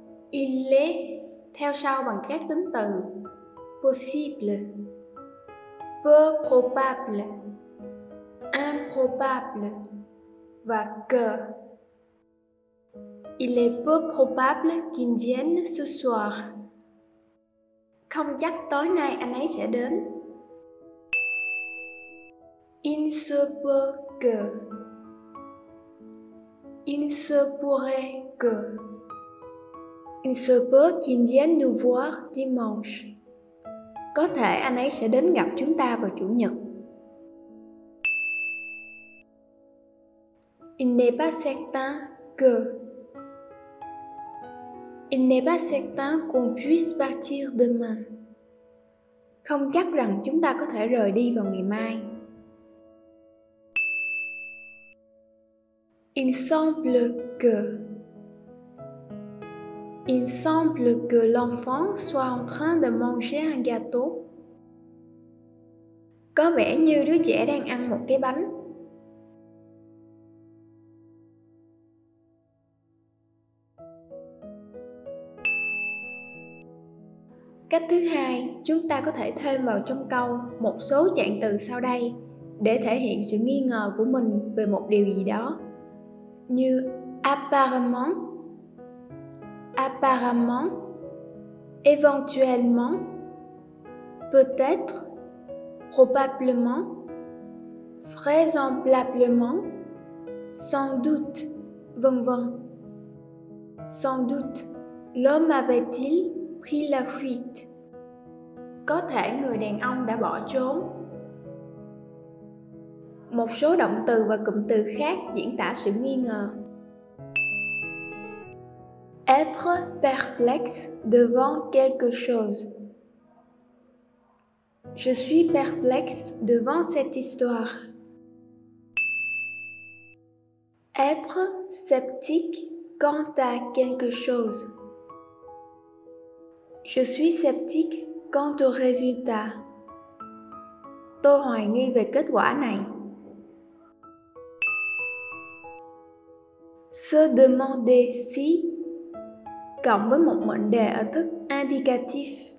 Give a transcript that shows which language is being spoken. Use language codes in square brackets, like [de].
[fr] Il est [vi] theo sau bằng các tính từ possible, peu probable, improbable và que. [fr] Il est peu probable qu'il vienne ce soir. [vi] Không chắc tối nay anh ấy sẽ đến. [fr] Il se peut que. Il se pourrait que. Il se peut qu'il vienne nous voir dimanche. [vi] Có thể anh ấy sẽ đến gặp chúng ta vào chủ nhật. [fr] Il n'est pas certain que. Il n'est pas certain qu'on puisse partir demain. [vi] Không chắc rằng chúng ta có thể rời đi vào ngày mai. [fr] Il semble que. Il semble que l'enfant soit en train de manger un gâteau. [vi] Có vẻ như đứa trẻ đang ăn một cái bánh. Cách thứ hai, chúng ta có thể thêm vào trong câu một số trạng từ sau đây để thể hiện sự nghi ngờ của mình về một điều gì đó. [fr] Như apparemment, apparemment, éventuellement, peut-être, probablement, vraisemblablement, sans doute, vân vân. Sans doute, l'homme avait-il pris la fuite? [vi] Có thể người đàn ông đã bỏ trốn. Một số động từ và cụm từ khác diễn tả sự nghi ngờ. [fr] Être perplexe devant quelque chose. Je suis perplexe devant cette histoire. Être sceptique quant à quelque chose. Je suis sceptique quant au résultat. [vi] Tôi hoài nghi về kết quả này. [fr] Se demander si [vi] cộng với một mệnh đề ở thức indicatif.